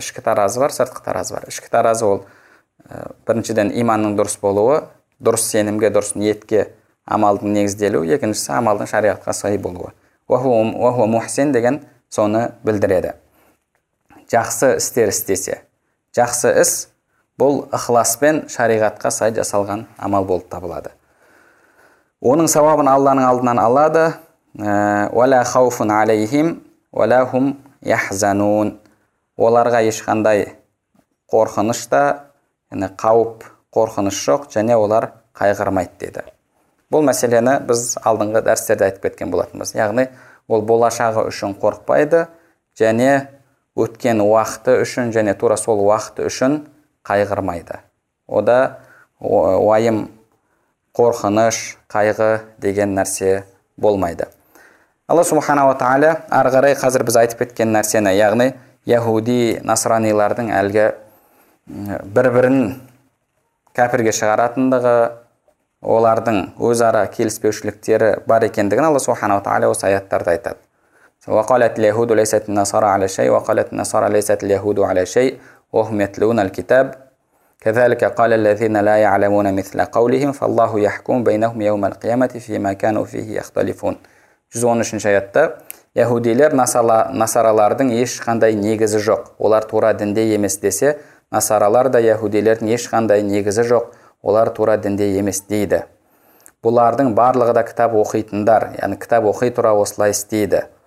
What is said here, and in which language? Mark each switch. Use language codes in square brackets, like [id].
[kk] Ішкі таразы бар, сыртқы таразы бар. Ішкі таразы ол біріншіден иманның дұрыс болуы, дұрыс сенімге, дұрыс ниетке амалдың негізделуі, екіншісі амалдың шариғатқа сай болуы. [ar] Уа хуа мухсин [kk] деген соны білдіреді. Жақсы істер істесе, жақсы іс бұл ықыласпен шариғатқа сай жасалған амал болып табылады. Оның сауабын Алланың алдынан алады. [ar] Уала хауфун алейхим уала хум яхзанун. [kk] Оларға ешқандай қорқыныш та, яғни қауіп, қорқыныш жоқ және олар қайғырмайды деді. Бұл мәселені біз алдыңғы дәрістерде айтып кеткен болатынбыз. Яғни ол болашағы үшін қорқпайды және өткен уақыты үшін және тура сол уақыты үшін қайғырмайды. Ода уайым, қорқыныш, қайғы деген нәрсе болмайды. Алла субханаһу ва тааля ары қарай қазір біз айтып кеткен нәрсені, яғни яһуди, насранилардың әлгі бір-бірін кәпірге шығаратындығы, олардың өзара келіспеушіліктері бар екендігін Алла субханаһу ва тааля осы аяттарда айтады. [ar] وقالت اليهود ليست النصارى على شيء وقالت النصارى ليست اليهود على شيء وهم يتلون الكتاب كذلك قال الذين لا يعلمون مثل قولهم فالله يحكم بينهم يوم القيامة فيما كانوا فيه يختلفون. [kk] جزء 13 аятта яһудилер насаралардың ешқандай негізі жоқ, олар тура дінде емес десе, Насаралар да яһудилердің ешқандай негізі жоқ, олар тура дінде емес дейді. Бұлардың барлығы да кітап оқитындар, яғни кітап оқи тұра осылай істейді.